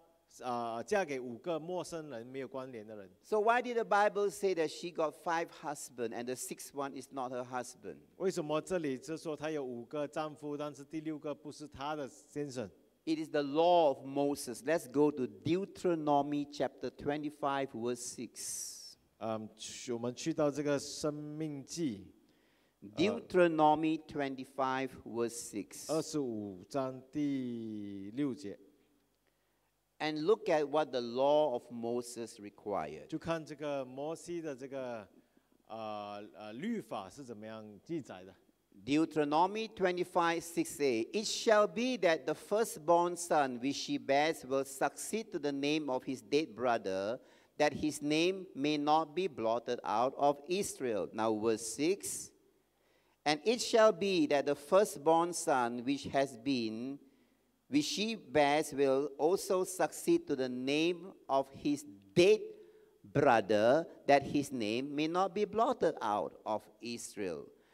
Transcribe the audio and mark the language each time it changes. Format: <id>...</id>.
<zh>所以在圣经时代，其实是不可能，也不容许让这个妇人家也不会发，不可能发生，就是说她嫁给五个陌生人，没有关联的人。</zh> <en>So why did the Bible say that she got five husbands and the sixth one is not her husband?</en> <zh>为什么这里就说她有五个丈夫，但是第六个不是她的先生？</zh> <en>It is the law of Moses. Let's go to Deuteronomy chapter 25, verse 6.</en> <zh>我们去到这个生命记。</zh> <en>Deuteronomy 25, verse 6.</en> <zh>25章第6节。</zh> <en>And look at what the law of Moses required.</en> <zh>就看这个摩西的这个, 律法是怎么样记载的。</zh> <en>Deuteronomy 25:6a, it shall be that the firstborn son which she bears will succeed to the name of his dead brother, that his name may not be blotted out of Israel. Now verse 6, and it shall be that the firstborn son which has been, which she bears will also succeed to the name of his dead brother, that his name may not be blotted out of Israel.</en>